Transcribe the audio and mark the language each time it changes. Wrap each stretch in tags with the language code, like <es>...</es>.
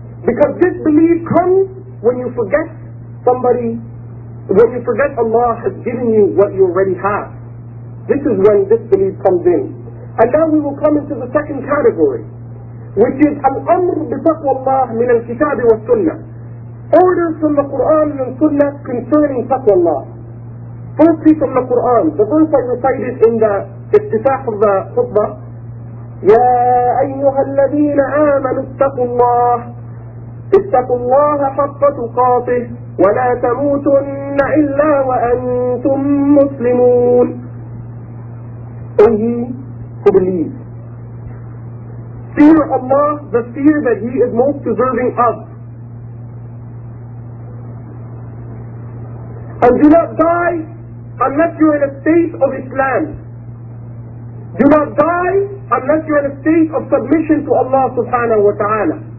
<en>Because disbelief comes when you forget somebody, when you forget Allah has given you what you already have. This is when disbelief comes in. And now we will come into the second category, which is</en> <ar>al-amr bi taqwa Allah min al-kitab wa sunnah.</ar> <en>Order from the Quran and sunnah concerning taqwa Allah. Firstly, from the Quran, the verse I recited in the iftitah of the khutbah,</en> <ar>يَا أَيُّهَا الَّذِينَ آمَنُوا اتَّقُوا اللَّهَ اتَّقُوا اللَّهَ حَقَّ تُقَاتِهِ وَلَا تَمُوتُنَّ إِلَّا وَأَنْتُمْ مُسْلِمُونَ.</ar> <en>And he who believes. Fear Allah, the fear that He is most deserving of. And do not die unless you are in a state of Islam. Do not die unless you are in a state of submission to Allah subhanahu wa ta'ala.</en>